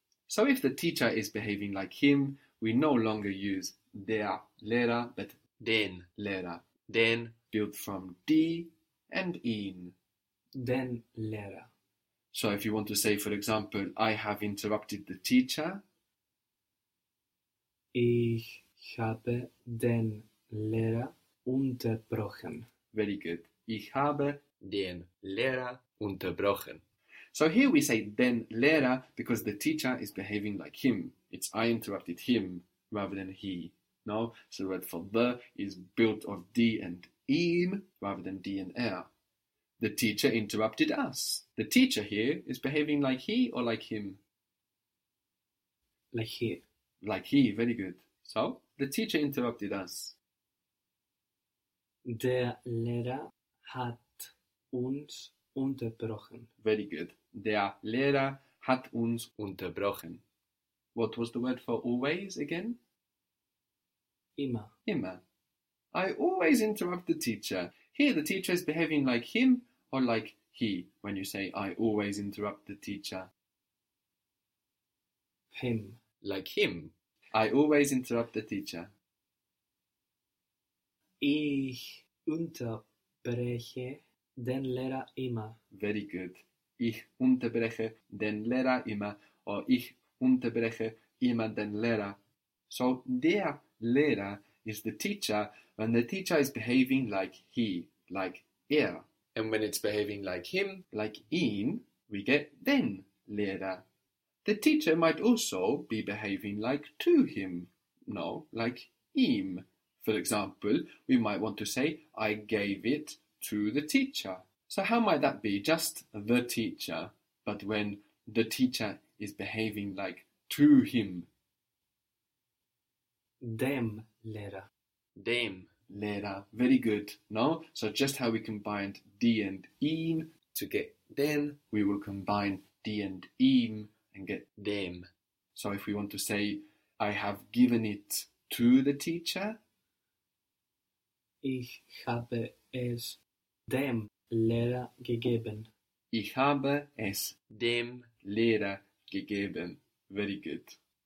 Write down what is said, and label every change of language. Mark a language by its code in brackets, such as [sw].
[en] So if the teacher is behaving like him, we no longer use [de] der Lehrer, [en] but [de] den Lehrer. Den, [en] built from D and ihn. [de] Den Lehrer. [en] So if you want to say, for example, I have interrupted the teacher. [de] Ich habe den Lehrer unterbrochen. [en] Very good. [de] Ich habe den Lehrer unterbrochen. [en] So here we say [de] den Lehrer [en] because the teacher is behaving like him. It's I interrupted him rather than he. No, so the word for the is built of D and ihm rather than D and er. The teacher interrupted us. The teacher here is behaving like he or like him? Like he. Like he, very good. So, the teacher interrupted us. [de] Der Lehrer hat uns unterbrochen. [en] Very good. [de] Der Lehrer hat uns unterbrochen. [en] What was the word for always again? [de] Immer. [en] I always interrupt the teacher. Here the teacher is behaving like him or like he when you say I always interrupt the teacher. Him. Like him. I always interrupt the teacher. [de] Ich unterbreche den Lehrer immer. [en] Very good. [de] Ich unterbreche den Lehrer immer. Or ich unterbreche immer den Lehrer. [en] So [de] der Lehrer [en] is the teacher when the teacher is behaving like he, like er. And when it's behaving like him, like ihn, we get [de] den Lehrer. [en] The teacher might also be behaving like to him, no, like ihm, For example, we might want to say, I gave it to the teacher. So how might that be? Just the teacher, but when the teacher is behaving like to him. [de] Dem lera. Dem [en] lera. Very good, no? So just how we combined D and im to get den, we will combine D and im and get [de] dem. [en] So if we want to say, I have given it to the teacher. [de] Ich habe es dem Lehrer gegeben. Ich habe es dem Lehrer gegeben. [en] Very good.